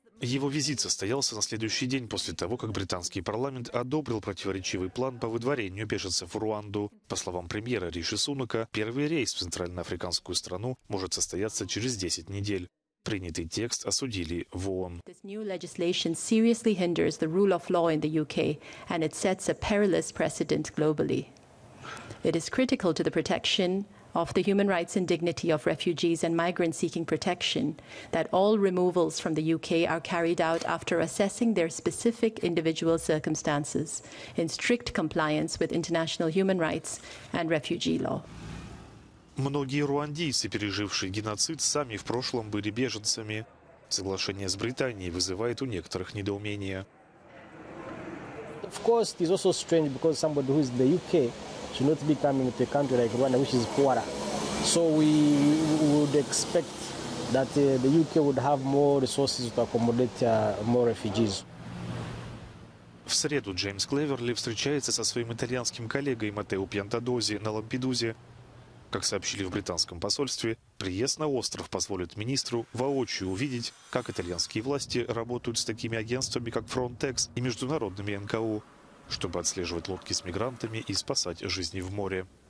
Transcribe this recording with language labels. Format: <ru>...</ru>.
<ru>Его визит состоялся на следующий день после того, как британский парламент одобрил противоречивый план по выдворению беженцев в Руанду. По словам премьера Риши Сунака, первый рейс в центральноафриканскую страну может состояться через 10 недель. Принятый текст осудили в ООН.</ru> <en>This new legislation seriously hinders the rule of law in the UK, and it sets a perilous precedent globally. It is critical to the protection of the human rights and dignity of refugees and migrants seeking protection that all removals from the UK are carried out after assessing their specific individual circumstances in strict compliance with international human rights and refugee law.</en> <ru>Многие руандийцы, пережившие геноцид, сами в прошлом были беженцами. Соглашение с Британией вызывает у некоторых недоумение.</ru> <en>Of course, it is also strange because somebody who is in the UK should not be coming to a country like Rwanda, which is poorer. So we would expect that the UK would have more resources to accommodate more refugees.</en> <ru>В среду Джеймс Клеверли встречается со своим итальянским коллегой Матео Пьянтадози на Лампедузе. Как сообщили в британском посольстве, приезд на остров позволит министру воочию увидеть, как итальянские власти работают с такими агентствами, как Frontex и международными НКО, чтобы отслеживать лодки с мигрантами и спасать жизни в море.</ru>